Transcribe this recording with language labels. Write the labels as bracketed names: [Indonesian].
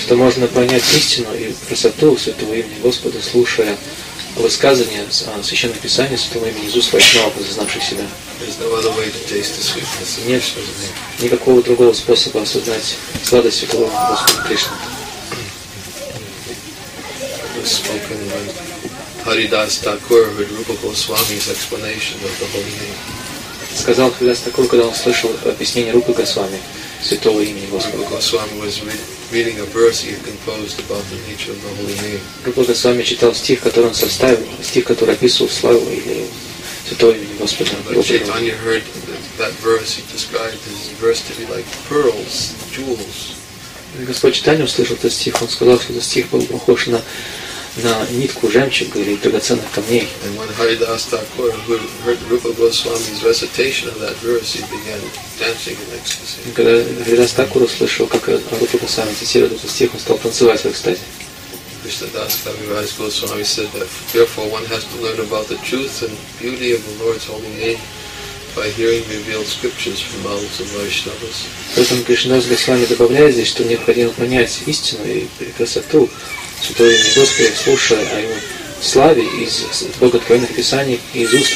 [Russian] Что можно понять истину и красоту Святого имени Господа, слушая высказывания Священного Писания Святого имени Иисуса Вайшнава, познавших себя. [English] There's no other way to taste the sweetness of Krishna's name. [Russian] Никакого другого способа осознать сладость Святого имени Господа Кришны. [English] Haridas Thakur heard Rupa Goswami's explanation of the holy name. [Russian] Сказал Haridas Thakur, когда он слышал объяснение Рупы Госвами, святого имени Господа. [English] Rupa Goswami was reading a verse he had composed about the nature of the holy name. [Russian] Рупа Госвами читал стих, который он составил, стих, который описывал славу или святого имени Господа. [English] But Chaitanya heard that verse. He described his verse to be like pearls, jewels. [Russian] Господь Chaitanya услышал этот стих. Он сказал, что этот стих был похож на нитку жемчуга или драгоценных камней. [English] And when Haridas Thakur heard Rupa Goswami's recitation of that verse, he began dancing in ecstasy. [Russian] Когда Haridas Thakur услышал, как Рупа Госвами цитировал этот стих, он стал танцевать в экстазе. Кришнадас Кавирадж Госвами [English] said that therefore one has to learn about the truth and beauty of the Lord's holy name by hearing revealed scriptures from mouths of Vaishnavas. [Russian] Поэтому Кришнадас Госвами добавляет здесь, что необходимо понять истину и красоту Святого имени Господа, слушая о Его славе из Богооткровенных Писаний и из уст